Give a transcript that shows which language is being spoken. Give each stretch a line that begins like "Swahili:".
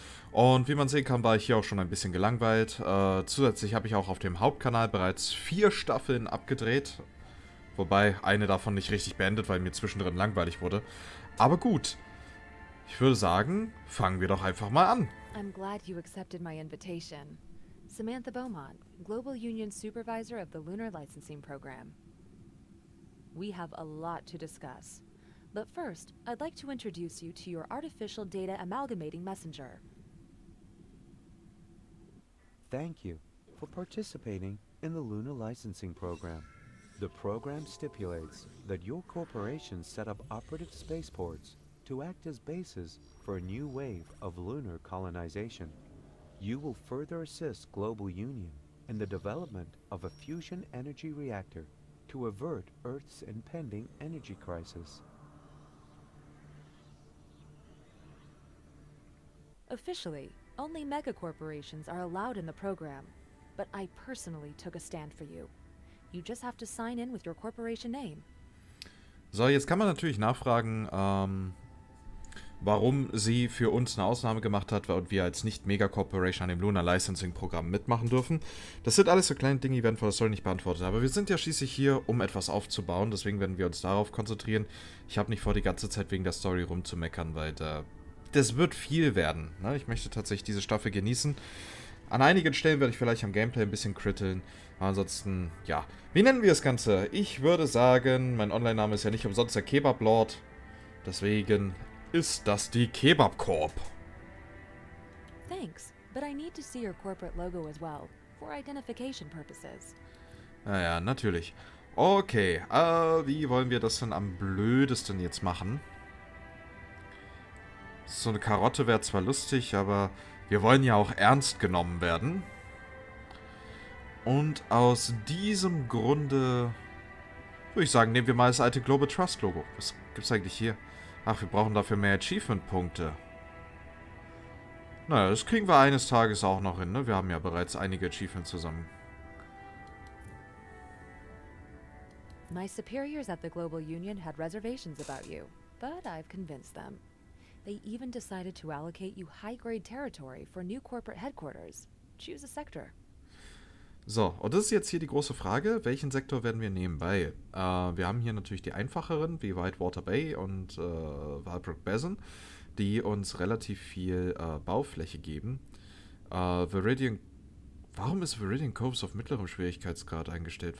German: Und wie man sehen kann, war ich hier auch schon ein bisschen gelangweilt. Zusätzlich habe ich auch auf dem Hauptkanal bereits 4 Staffeln abgedreht. Wobei eine davon nicht richtig beendet, weil mir zwischendrin langweilig wurde. Aber gut, ich würde sagen, fangen wir doch einfach mal an.
English: I'm glad you accepted my invitation. Samantha Beaumont, Global Union Supervisor of the Lunar Licensing Program. We have a lot to discuss. But first, I'd like to introduce you to your artificial data amalgamating messenger. Thank you for participating in the Lunar Licensing Program. The program stipulates that your corporation set up operative spaceports to act as bases for a new wave of lunar colonization. You will further assist Global Union in the development of a fusion energy reactor to avert Earth's impending energy crisis. Officially, only megacorporations are allowed in the program, but I personally took a stand for you. You just have to sign in with your corporation name.
German: So, jetzt kann man natürlich nachfragen, warum sie für uns eine Ausnahme gemacht hat und wir als Nicht-Mega-Corporation an dem Lunar Licensing-Programm mitmachen dürfen. Das sind alles so kleine Dinge, die werden von der Story nicht beantwortet. Aber wir sind ja schließlich hier, um etwas aufzubauen, deswegen werden wir uns darauf konzentrieren. Ich habe nicht vor, die ganze Zeit wegen der Story rumzumeckern, weil das wird viel werden. Ne? Ich möchte tatsächlich diese Staffel genießen. An einigen Stellen werde ich vielleicht am Gameplay ein bisschen kritteln. Ansonsten, ja. Wie nennen wir das Ganze? Ich würde sagen, mein Online-Name ist ja nicht umsonst der Kebab-Lord. Deswegen ist das die Kebab Corp.
English: Thanks, but I need to see your corporate logo as well for identification purposes.
German: Naja, natürlich. Okay, wie wollen wir das denn am blödesten jetzt machen? So eine Karotte wäre zwar lustig, aber wir wollen ja auch ernst genommen werden. Und aus diesem Grunde würde ich sagen, nehmen wir mal das alte Global Trust Logo. Was gibt's eigentlich hier? Ach, wir brauchen dafür mehr Achievement-Punkte. Naja, das kriegen wir eines Tages auch noch hin, ne? Wir haben ja bereits einige Achievements zusammen.
English: My superiors at the Global Union had reservations about you, but I've convinced them. They even decided to allocate you high-grade territory for new corporate headquarters. Choose a sector.
German: So, und das ist jetzt hier die große Frage, welchen Sektor werden wir nehmen? Weil wir haben hier natürlich die einfacheren, wie Whitewater Bay und Walbrook Basin, die uns relativ viel Baufläche geben. Warum ist Viridian Coves auf mittlerem Schwierigkeitsgrad eingestellt?